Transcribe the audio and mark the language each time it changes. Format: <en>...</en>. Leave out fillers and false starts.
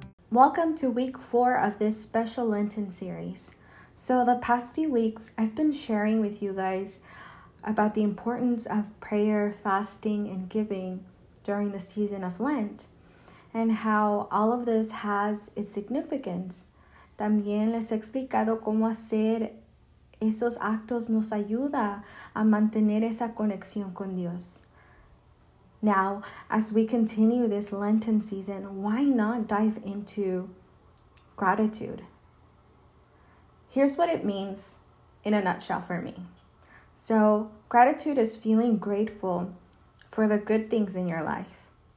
<en>Welcome to week 4 of this special Lenten series. So the past few weeks, I've been sharing with you guys about the importance of prayer, fasting, and giving during the season of Lent, and how all of this has its significance.</en> <es>También les he explicado cómo hacer esos actos nos ayuda a mantener esa conexión con Dios.</es> <en>Now, as we continue this Lenten season, why not dive into gratitude? Here's what it means in a nutshell for me. So gratitude is feeling grateful for the good things in your life.</en>